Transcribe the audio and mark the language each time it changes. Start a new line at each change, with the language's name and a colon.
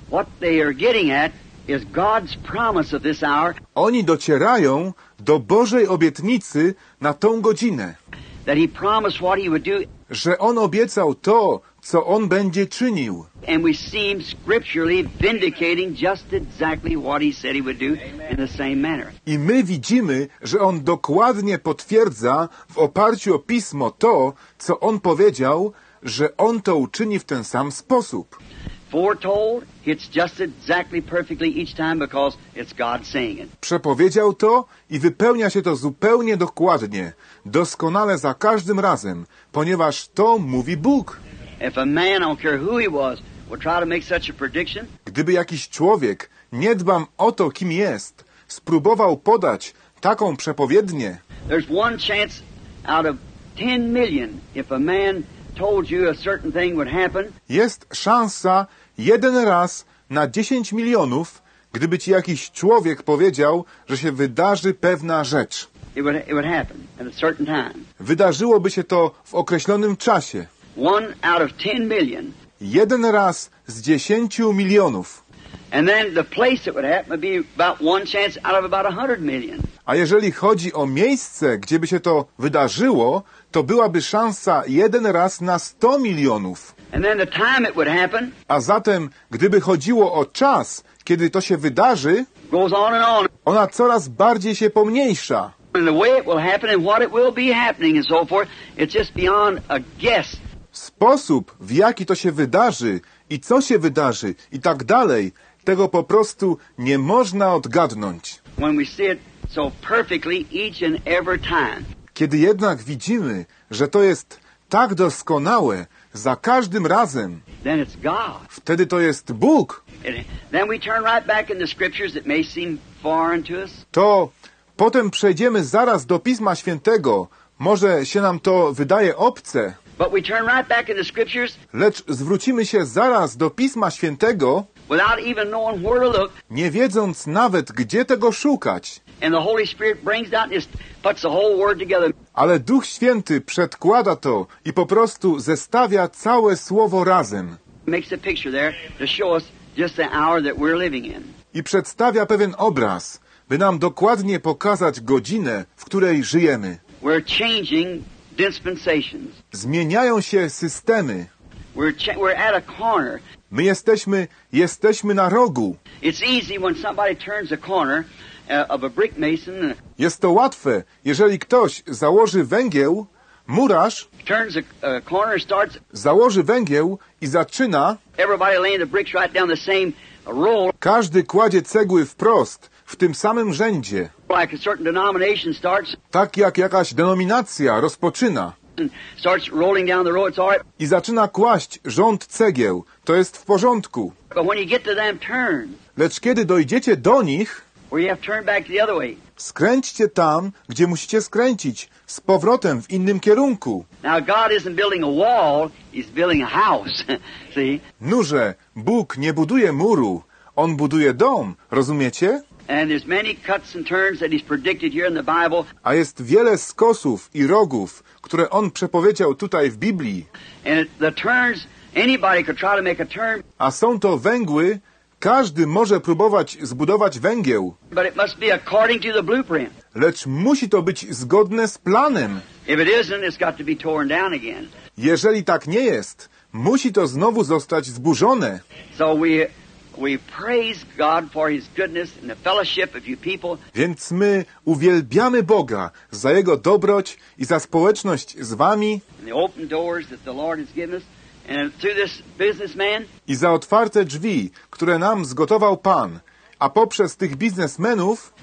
English: What they are getting at is God's promise of this hour.
Polish: Oni docierają do Bożej obietnicy na tą godzinę.
English: That he promised what he would do.
Polish: Że on obiecał to, co on będzie czynił.
English: And we seem scripturally vindicating just exactly what he said he would do. Amen. In the same manner.
Polish: I my widzimy, że on dokładnie potwierdza w oparciu o pismo to, co on powiedział, że on to uczyni w ten sam sposób.
English: Foretold, it's just exactly perfectly each time because it's God saying it.
Polish: Przepowiedział to i wypełnia się to zupełnie dokładnie, doskonale za każdym razem, ponieważ to mówi Bóg.
English: If a man, I don't care who he was, would try to make such a prediction.
Polish: Gdyby jakiś człowiek, nie dbam o to, kim jest, spróbował podać taką przepowiednię.
English: There's one chance out of 10 million if a man told you a certain thing would happen.
Polish: Jest szansa jeden raz na 10 milionów, gdyby ci jakiś człowiek powiedział, że się wydarzy pewna rzecz.
English: It would happen at a certain time.
Polish: Wydarzyłoby się to w określonym czasie.
English: One out of 10 million.
Polish: Jeden raz z 10 milionów.
English: And then the place it would happen would be about one chance out of about 100 million.
Polish: A jeżeli chodzi o miejsce, gdzie by się to wydarzyło, to byłaby szansa jeden raz na 100 milionów.
English: And then the time it would happen.
Polish: A zatem, gdyby chodziło o czas, kiedy to się wydarzy,
English: goes on and on.
Polish: Ona coraz bardziej się pomniejsza.
English: And the way it will happen and what it will be happening and so forth, it's just beyond a guess.
Polish: Sposób, w jaki to się wydarzy i co się wydarzy i tak dalej, tego po prostu nie można odgadnąć.
English: When we see it so perfectly each and every time.
Polish: Kiedy jednak widzimy, że to jest tak doskonałe za każdym razem,
English: then it's God.
Polish: Wtedy to jest Bóg.
English: Then we turn right back in the scriptures that may seem foreign to us.
Polish: To potem przejdziemy zaraz do Pisma Świętego. Może się nam to wydaje obce.
English: But we turn right back in the scriptures.
Polish: Lecz zwrócimy się zaraz do Pisma Świętego.
English: Without even knowing where to look.
Polish: Nie wiedząc nawet, gdzie tego szukać.
English: And the Holy Spirit brings out and puts the whole word together.
Polish: Ale Duch Święty przedkłada to i po prostu zestawia całe słowo razem.
English: Makes a picture there to show us just the hour that we're living in.
Polish: I przedstawia pewien obraz, by nam dokładnie pokazać godzinę, w której żyjemy.
English: We're changing dispensations.
Polish: Zmieniają się systemy.
English: We're at a corner.
Polish: My jesteśmy na rogu.
English: It's easy when somebody turns a corner of a brick mason.
Polish: Jest to łatwe, jeżeli ktoś założy węgiel, murarz
English: turns a corner, starts,
Polish: założy węgiel i zaczyna.
English: Everybody laying the bricks right down the same row.
Polish: Każdy kładzie cegły wprost, w tym samym rzędzie.
English: Like a certain denomination starts,
Polish: tak jak jakaś denominacja rozpoczyna.
English: Starts rolling down the road, it's all right.
Polish: I zaczyna kłaść rząd cegieł. To jest w porządku.
English: But when you get to them turn,
Polish: lecz kiedy dojdziecie do nich,
English: where you have to turn back the other way.
Polish: Skręćcie tam, gdzie musicie skręcić, z powrotem w innym kierunku.
English: Now God isn't building a wall, he's building a house. See?
Polish: Nurze, Bóg nie buduje muru, on buduje dom, rozumiecie?
English: And there's many cuts and turns that he's predicted here in the Bible.
Polish: A jest wiele skosów i rogów, które on przepowiedział tutaj w Biblii.
English: And the turns, anybody could try to make a turn.
Polish: A są to węgły, każdy może próbować zbudować węgiel.
English: But it must be according to the blueprint.
Polish: Lecz musi to być zgodne z planem.
English: If it isn't, it's got to be torn down again.
Polish: Jeżeli tak nie jest, musi to znowu zostać zburzone.
English: So we praise God for his goodness and the fellowship of you people.
Polish: Więc my uwielbiamy Boga za jego dobroć i za społeczność z wami.
English: And the open doors that the Lord has given us and through this businessman.
Polish: I za otwarte drzwi, które nam zgotował Pan, a poprzez tych biznesmenów.